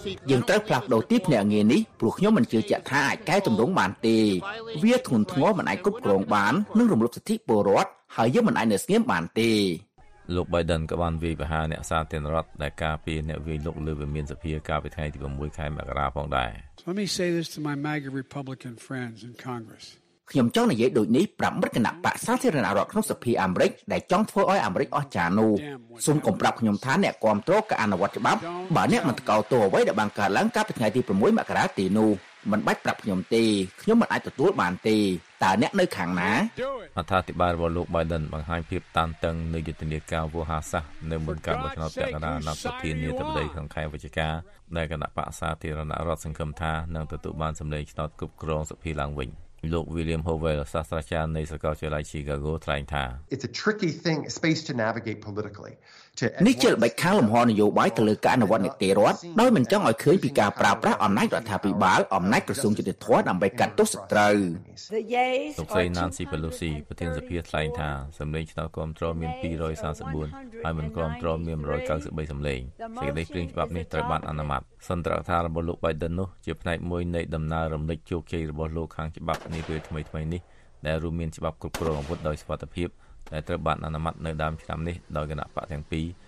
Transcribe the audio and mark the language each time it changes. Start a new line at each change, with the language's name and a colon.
Khmer: យើងត្រូវផ្លាស់ប្ដូរទីភ្នាក់ងារនេះព្រោះខ្ញុំមិនជឿជាក់ថាអាចកែតម្រង់បានទេវាធ្ងន់ធ្ងរមិនអាចគ្រប់គ្រងបាននិងរំលោភសិទ្ធិពលរដ្ឋហើយយើងមិនអាចនៅស្ងៀមបានទេ លោក Biden ក៏បានវាយប្រហារអ្នកសាធារណរដ្ឋដែលការពារអ្នកវាយលុកលើវិមានសភាកាលពីថ្ងៃទី6ខែមករាផងដែរ
English: Let me say this to my MAGA Republican friends in Congress
Khmer: ខ្ញុំចង់និយាយដូចនេះប្រាប់មិត្តគណៈបក្សសាធារណរដ្ឋក្នុងសភាអាមេរិកដែលចង់ធ្វើឲ្យអាមេរិកអស់ចាណូសូមកុំប្រាប់ខ្ញុំថាអ្នកគ្រប់គ្រងការអនុវត្តច្បាប់បើអ្នកមិនតកោតទោសអ្វីដែលបានកើតឡើងកាលពីថ្ងៃទី6មករាទីនោះមិនបាច់ប្រាប់ខ្ញុំទេខ្ញុំមិនអាចទទួលបានទេតើអ្នកនៅខាងណា អធិបតីរបស់លោក Biden បង្ហាញភាពតានតឹងនៅយុទ្ធនាការវោហារសាសនៅមុនការបោះឆ្នោតប្រធានាធិបតីនាថ្ងៃក្នុងខែវិច្ឆិកាដែលគណៈបក្សសាធារណរដ្ឋសង្ឃឹមថានឹងទទួលបានសម្លេងឆ្នោតគ្រប់គ្រងសភាឡើងវិញលោក William Howell សាស្ត្រាចារ្យនៃសាកលវិទ្យាល័យ Chicago ថ្លែងថា
English: It's a tricky thing space to navigate politically
Khmer: នេះជាល្បិចកលលំហនយោបាយទៅលើការអនុវត្តនីតិរដ្ឋដោយមិនចង់ឲ្យឃើញពីការប្រើប្រាស់អំណាចរដ្ឋាភិបាលអំណាចក្រសួងយុតិធម៌ដើម្បីកាត់ទោសសត្រូវ លោកស្រី Nancy Pelosi ប្រធានសភាថ្លែងថាសម្លេងឆ្នោតគ្រប់គ្រងមាន234ហើយមិនគ្រប់គ្រងមាន193សម្លេងសេចក្តីព្រាងច្បាប់នេះត្រូវបានអនុម័តសន្តរដ្ឋារបស់លោក Biden នោះជាផ្នែកមួយនៃដំណើររំលឹកជោគជ័យរបស់លោកខាងច្បាប់នេះពេលថ្មីថ្មីនេះដែលរួមមានច្បាប់គ្រប់គ្រងអាវុធដោយសុវត្ថិភាពតែត្រូវបានអនុម័តនៅដើមឆ្នាំនេះដោយគណៈបកទាំងពី